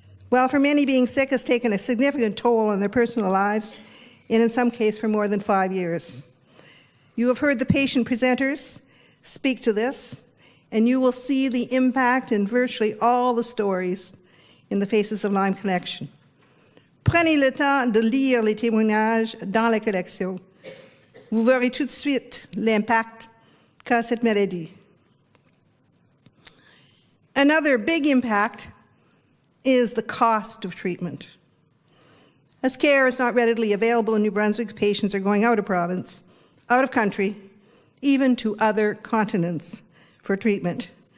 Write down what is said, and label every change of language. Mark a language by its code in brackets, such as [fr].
[en] Well, for many, being sick has taken a significant toll on their personal lives, and in some cases for more than 5 years. You have heard the patient presenters speak to this, and you will see the impact in virtually all the stories in the faces of Lyme Connection. [fr] Prenez le temps de lire les témoignages dans la collection. Vous verrez tout de suite l'impact qu'a cette maladie. [en] Another big impact is the cost of treatment. As care is not readily available in New Brunswick, patients are going out of province, out of country, even to other continents for treatment.